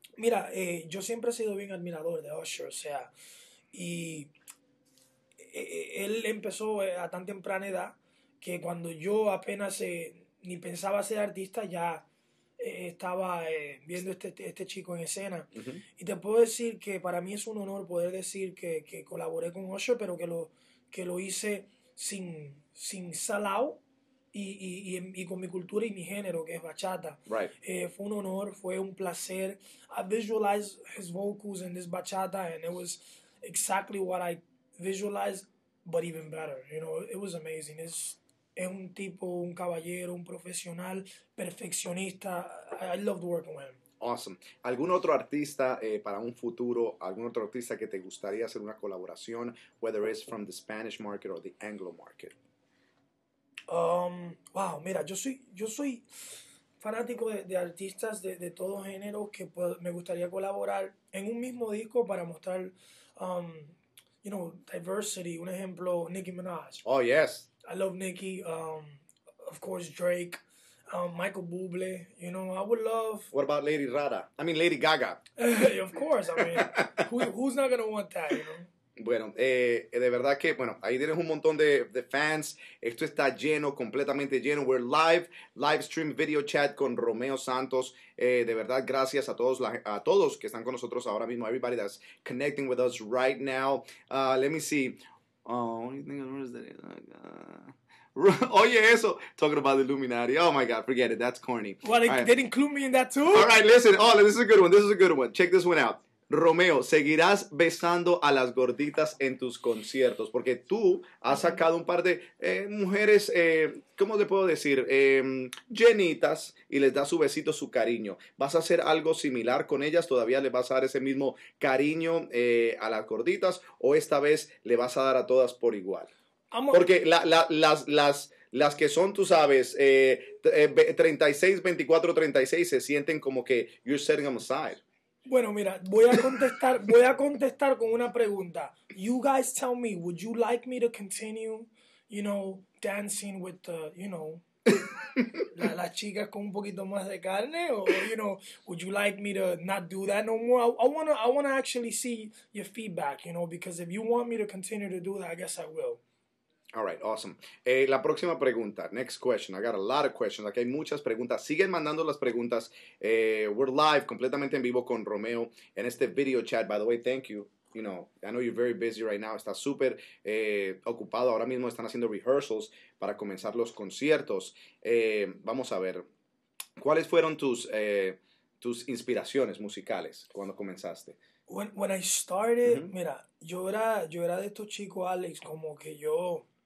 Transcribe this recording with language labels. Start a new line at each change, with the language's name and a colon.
Spanish: Mira, yo siempre he sido bien admirador de Usher, o sea, y él empezó a tan temprana edad que cuando yo apenas ni pensaba ser artista, ya estaba viendo este chico en escena. Uh-huh. Y te puedo decir que para mí es un honor poder decir que colaboré con Usher, pero que lo hice sin salao. Y con mi cultura y mi género, que es bachata.
English: Right.
Spanish: Fue un honor, fue un placer.
English: I visualized his vocals in this bachata, and it was exactly what I visualized, but even better. You know, it was amazing.
Spanish: Es un tipo, un caballero, un profesional, perfeccionista.
English: I loved working with him. Awesome.
Spanish: ¿Algún otro artista para un futuro, algún otro artista que te gustaría hacer una colaboración,
English: whether it's from the Spanish market or the Anglo market?
Spanish: Wow, mira, yo soy fanático de artistas de todo género que me gustaría colaborar en un mismo disco para mostrar,
English: you know, diversity.
Spanish: Un ejemplo, Nicki Minaj.
English: Oh, yes. I love Nicki. Of course, Drake. Michael Bublé. You know, I would love... What about Lady Rada? I mean, Lady Gaga. Of course, I mean, who's not gonna want that, you know?
Spanish: Bueno, de verdad que, bueno, ahí tienes un montón de fans. Esto está lleno, completamente lleno.
English: We're live stream video chat
Spanish: con Romeo Santos. De verdad, gracias a todos que están con nosotros ahora mismo.
English: Everybody that's connecting with us right now. Let me see.
Spanish: Oye, eso.
English: Talking about the Illuminati. Oh, my God. Forget it. That's corny. Well, they didn't include me in that, too. All right, listen. Oh, this is a good one. Check this one out.
Spanish: Romeo, seguirás besando a las gorditas en tus conciertos, porque tú has sacado un par de mujeres, ¿cómo te puedo decir? Llenitas, y les das su besito, su cariño. ¿Vas a hacer algo similar con ellas? ¿Todavía les vas a dar ese mismo cariño a las gorditas? ¿O esta vez le vas a dar a todas por igual? Porque las que son, tú sabes, 36, 24, 36, se sienten como que
English: you're setting them aside.
Spanish: Bueno, mira, voy a contestar con una pregunta.
English: You guys tell me, would you like me to continue, you know, dancing with the, you know,
Spanish: las chicas con un poquito más de carne,
English: or you know, would you like me to not do that no more? I wanna actually see your feedback, you know, because if you want me to continue to do that, I guess I will. All right, awesome.
Spanish: La próxima pregunta,
English: next question. I got a lot of questions.
Spanish: Aquí hay muchas preguntas. Siguen mandando las preguntas.
English: We're live,
Spanish: completamente en vivo con Romeo en este video chat.
English: By the way, thank you. You know, I know you're very busy right now.
Spanish: Está súper ocupado. Ahora mismo están haciendo rehearsals para comenzar los conciertos. Vamos a ver, ¿cuáles fueron tus inspiraciones musicales cuando comenzaste?
English: When I started,
Spanish: mira, yo era de estos chicos, Alex, como que yo...